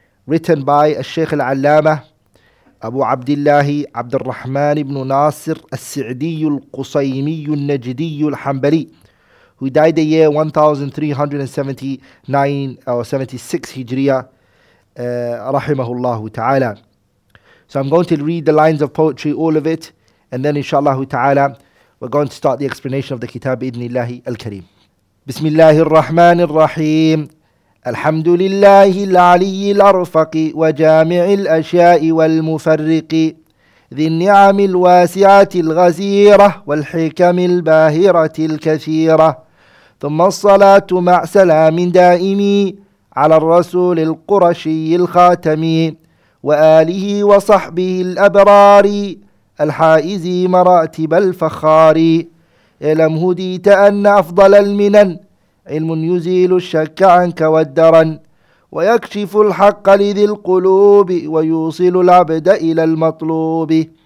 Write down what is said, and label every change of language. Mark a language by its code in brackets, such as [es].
[en] written by الشيخ العلامة أبو عبد الله عبد الرحمن بن ناصر السعدي القصيمي النجدي الحنبلي who died the year 1379 or 76 Hijriya رحمه الله تعالى. So I'm going to read the lines of poetry, all of it, and then inshallah تعالى we're going to start the explanation of the kitab بإذن الله الكريم. [ar] بسم الله الرحمن الرحيم الحمد لله العلي الأرفق وجامع الأشياء والمفرق ذي النعم الواسعة الغزيرة والحكم الباهرة الكثيرة ثم الصلاة مع سلام دائمي على الرسول القرشي الخاتمي وآله وصحبه الأبرار الحائز مراتب الفخار إلم هديت أن أفضل المنن علم يزيل الشك عنك والدرن ويكشف الحق لذي القلوب ويوصل العبد إلى المطلوب